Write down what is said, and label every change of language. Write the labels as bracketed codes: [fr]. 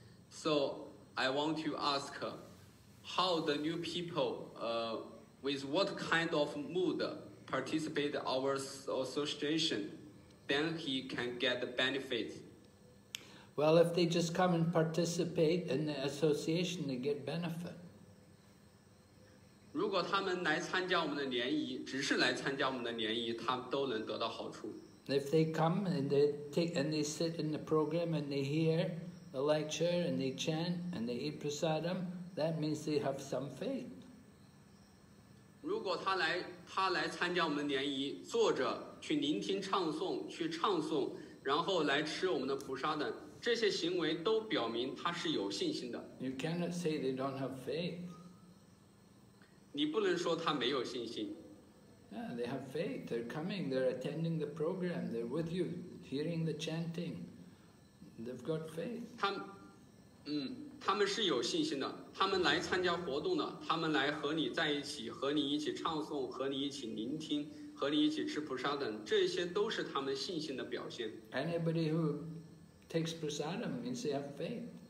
[en] So I want to ask how the new people with what kind of mood participate in our association, then he can get the benefits. Well, if they just come and participate in the association, they get benefit. [zh] 如果他们来参加我们的联谊，只是来参加我们的联谊，他们都能得到好处。 [en] If they come and they sit in the program and they hear,a lecture and they chant and they eat prasadam, that means they have some faith. [zh] 如果他来参加我们的联谊，坐着去聆听唱诵，去唱诵，然后来吃我们的菩萨等，这些行为都表明他是有信心的。 [en] You cannot say they don't have faith. [zh] 你不能说他没有信心。 [en] Yeah, they have faith. They're coming. They're attending the program. They're with you, hearing the chanting. They've got faith. [zh] 他们是有信心的。他们来参加活动的。他们来和你在一起，和你一起唱诵，和你一起聆听，和你一起吃prasadam。这些都是他们信心的表现。 [en] Anybody who takes prasadam means they have faith.